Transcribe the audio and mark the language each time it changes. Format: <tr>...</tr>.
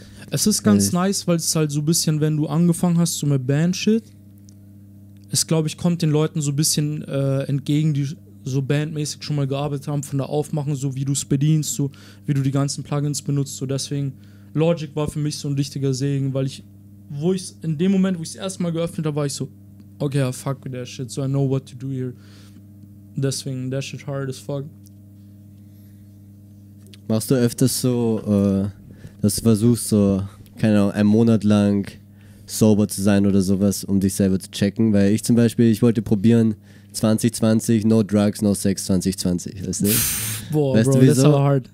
<de>Es ist ganz nice, weil es halt so ein bisschen, wenn du angefangen hast, so mit Band-Shit, es, glaube ich, kommt den Leuten so ein bisschen entgegen, die so bandmäßig schon mal gearbeitet haben, von der Aufmachung, so wie du es bedienst, so wie du die ganzen Plugins benutzt. So deswegen, Logic war für mich so ein richtiger Segen, weil in dem Moment, wo ich es erstmal geöffnet habe, war ich so, okay,</de> <en>I fuck with that shit, so I know what to do here.</en> <de>Deswegen,</de> <en>that shit hard as fuck.</en> <de>Machst du öfters so, dass du versuchst, so, keine Ahnung, einen Monat lang sober zu sein oder sowas, um dich selber zu checken. Weil ich zum Beispiel, ich wollte probieren, 2020,</de> <en>no drugs, no sex,</en> <de>2020, weißt du? Boah, weißt Bro, du, wieso?</de> <en>That's so hard.</en>